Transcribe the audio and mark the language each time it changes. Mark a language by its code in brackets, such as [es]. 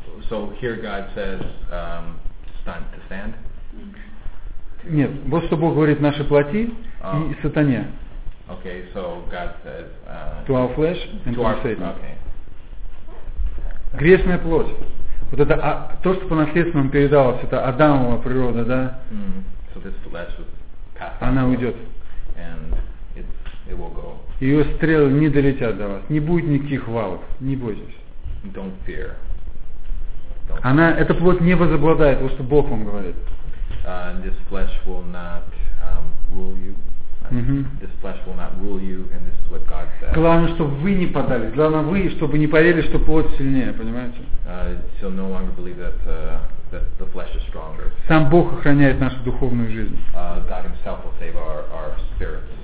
[en] So here God says, stand to stand. [ru] Нет, вот что Бог говорит нашей плоти и сатане. [en] Okay, so God says, to our flesh and to our Satan. Okay. [ru] Грешная плоть. Вот это то, что по наследству нам передалось, это Адамова природа, да? Mm-hmm. [en] So this flesh was passed on. [ru] Она уйдет. [en] And it will go. [ru] Ее стрелы не долетят до вас. Не будет никаких валов. Не бойтесь. [en] Don't fear. [ru] Она, эта плоть не возобладает, вот что Бог вам говорит. [en] This flesh will not rule you. This flesh will not rule you, and this is what God says. [ru] Главное, чтобы вы не поддались. Главное, вы, чтобы не поверили, что плоть сильнее, понимаете? [en] So no longer believe that that the flesh is stronger. [ru] Сам Бог охраняет нашу духовную жизнь. [en] God himself will save our spirits.